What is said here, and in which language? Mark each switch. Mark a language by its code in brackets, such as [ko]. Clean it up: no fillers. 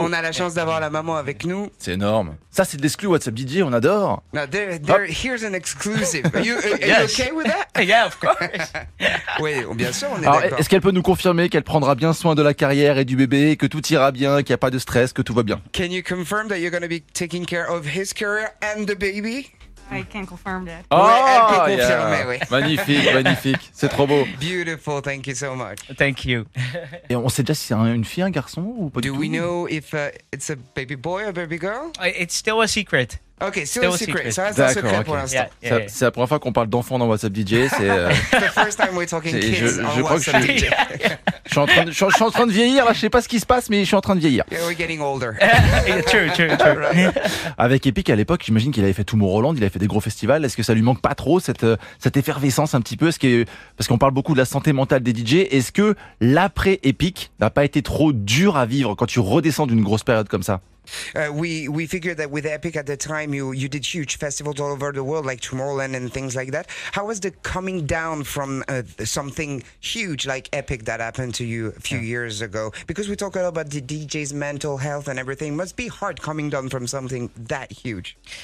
[fr] On a la chance d'avoir la maman avec nous. C'est énorme. Ça, c'est de l'exclu WhatsApp DJ. On adore. [en] Now there, here's an exclusive. Are you yes. okay with that? Yeah, of course. [fr] Oui, bien sûr, on est alors, d'accord. Est-ce qu'elle peut nous confirmer qu'elle prendra bien soin de la carrière et du bébé, que tout ira bien, qu'il n'y a pas de stress, que tout va bien? [en] Can you confirm that you're going to be taking care of his career and the baby? I can confirm that. [fr] Oh, ouais, yeah. Confirmé, oui. Magnifique. C'est trop beau. [en] Beautiful, thank you so much. Thank you. [fr] Et on sait déjà si c'est une fille, un garçon ou pas du tout? [en] Do we know if it's a baby boy or baby girl? It's still a secret. Ok, still a secret. [fr] Ça reste un secret pour l'instant. Yeah. C'est la première fois qu'on parle d'enfants dans WhatsApp DJ. [en] the first time we're talking kids on WhatsApp DJ. [fr] Je suis en train de vieillir, là. Je sais pas ce qui se passe, mais je suis en train de vieillir. [en] Yeah, we're getting older. true. [fr] Avec Epic, à l'époque, j'imagine qu'il avait fait tout Tomorrowland, il avait fait des gros festivals. Est-ce que ça lui manque pas trop cette effervescence un petit peu? Parce qu'on parle beaucoup de la santé mentale des DJ. Est-ce que l'après Epic n'a pas été trop dur à vivre quand tu redescends d'une grosse période comme ça? [en] We figured that with Epic at the time, you did huge festivals all over the world, like Tomorrowland and things like that. How was the coming down from something huge like Epic that happened to you a few years ago? Because we talk a lot about the DJ's mental health and everything. It must be hard coming down from something that huge.